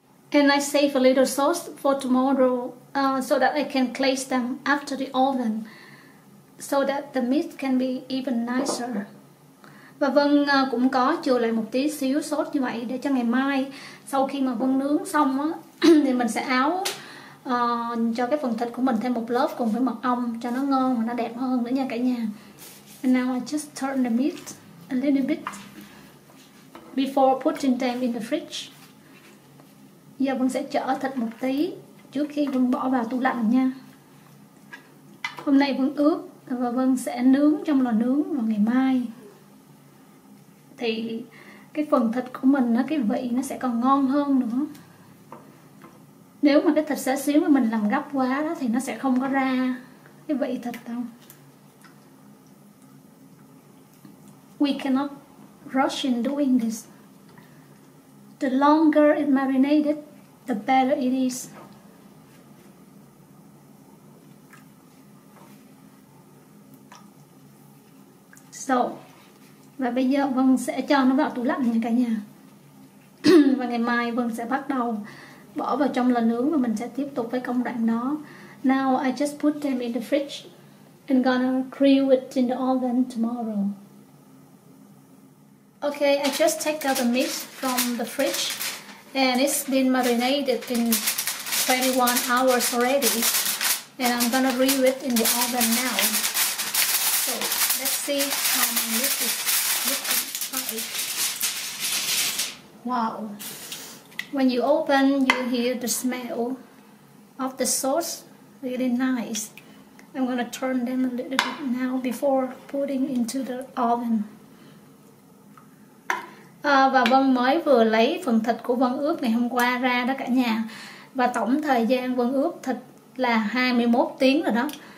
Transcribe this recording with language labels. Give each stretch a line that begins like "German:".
English: And I save a little sauce for tomorrow so that I can place them after the oven so that the meat can be even nicer.
Vietnamese: Và Vân cũng có chừa lại một tí xíu sốt như vậy để cho ngày mai sau khi mà Vân nướng xong á, thì mình sẽ áo cho cái phần thịt của mình thêm một lớp cùng với mật ong cho nó ngon và nó đẹp hơn nữa nha cả nhà. And now I just turn the meat a little bit before putting them in the fridge. Giờ Vân sẽ chở thịt một tí trước khi Vân bỏ vào tủ lạnh nha. Hôm nay Vân ướp và Vân sẽ nướng trong lò nướng vào ngày mai. Thì cái phần thịt của mình nó cái vị nó sẽ còn ngon hơn nữa. Nếu mà cái thịt xá xíu mà mình làm gấp quá đó thì nó sẽ không có ra cái vị thịt đâu.
English: We cannot rush in doing this. The longer it marinated, the better it is.
Vietnamese: So, và bây giờ Vân sẽ cho nó vào tủ lạnh nha cả nhà. Và ngày mai Vân sẽ bắt đầu bỏ vào trong lò nướng và mình sẽ tiếp tục với công đoạn đó.
English: Now I just put them in the fridge and gonna grill it in the oven tomorrow. Okay, I just take out the meat from the fridge and it's been marinated in 21 hours already. And I'm gonna grill it in the oven now. So, let's see how my meat is looking like. Wow. When you open, you hear the smell of the sauce, really nice. I'm gonna turn them a little bit now before putting into the oven.
Vietnamese: Và Vân mới vừa lấy phần thịt của Vân ướp ngày hôm qua ra đó cả nhà. Và tổng thời gian Vân ướp thịt là 21 tiếng rồi đó.